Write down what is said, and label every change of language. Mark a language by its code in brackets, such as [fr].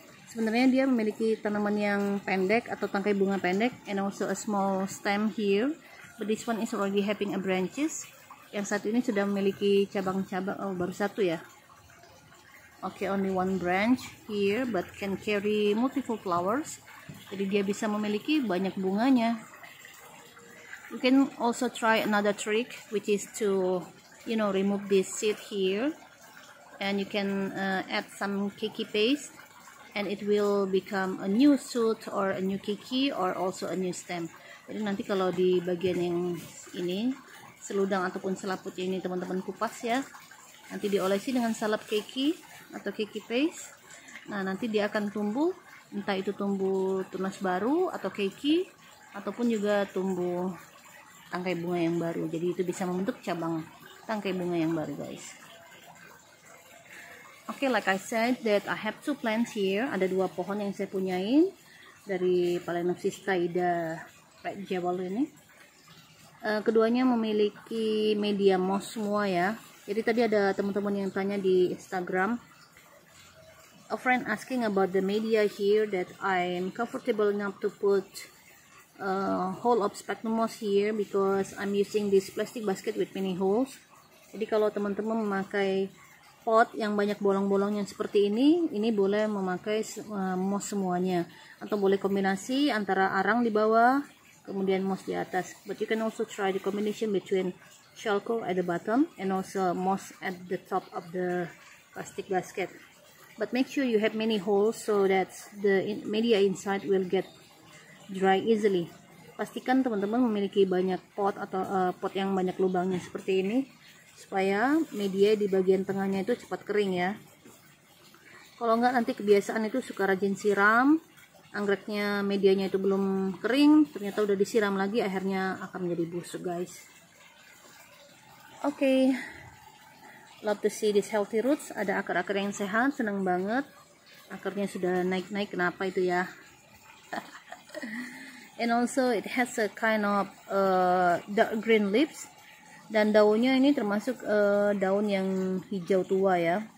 [id] Sebenarnya dia memiliki tanaman yang pendek atau tangkai bunga pendek. [en] And also a small stem here. But this one is already having a branches. [id] Yang satu ini sudah memiliki cabang-cabang, oh baru satu ya. [en] Okay, only one branch here, but can carry multiple flowers. [id] Jadi dia bisa memiliki banyak bunganya. [en] You can also try another trick, which is to, you know, remove this seed here, and you can add some keki paste, and it will become a new shoot or a new keki or also a new stem. [id] Jadi nanti kalau di bagian yang ini, seludang ataupun selaputnya ini teman-teman kupas ya, nanti diolesi dengan salep keki atau keki paste. Nah nanti dia akan tumbuh, entah itu tumbuh tunas baru atau keki ataupun juga tumbuh tangkai bunga yang baru. Jadi itu bisa membentuk cabang tangkai bunga yang baru guys. [en] Okay, like I said that I have two plants here. [id] Ada dua pohon yang saya punyain dari phalaenopsis taida red jewel ini. Keduanya memiliki media moss semua ya. Jadi tadi ada teman-teman yang tanya di Instagram, [en] a friend asking about the media here that I'm comfortable enough to put a hole of sphagnum moss here because I'm using this plastic basket with many holes. [id] Jadi kalau teman-teman memakai pot yang banyak bolong-bolongnya seperti ini boleh memakai moss semuanya atau boleh kombinasi antara arang di bawah kemudian moss di atas. [en] But you can also try the combination between charcoal at the bottom and also moss at the top of the plastic basket. But make sure you have many holes so that the media inside will get dry easily. [id] Pastikan teman-teman memiliki banyak pot atau pot yang banyak lubangnya seperti ini supaya media di bagian tengahnya itu cepat kering ya. Kalau enggak nanti kebiasaan itu suka rajin siram, anggreknya medianya itu belum kering, ternyata udah disiram lagi akhirnya akan menjadi busuk guys. Okay. [en] Love to see this healthy roots, [id] ada akar-akar yang sehat, senang banget. Akarnya sudah naik-naik, kenapa itu ya? [en] And also it has a kind of dark green leaves. [id] Dan daunnya ini termasuk daun yang hijau tua ya.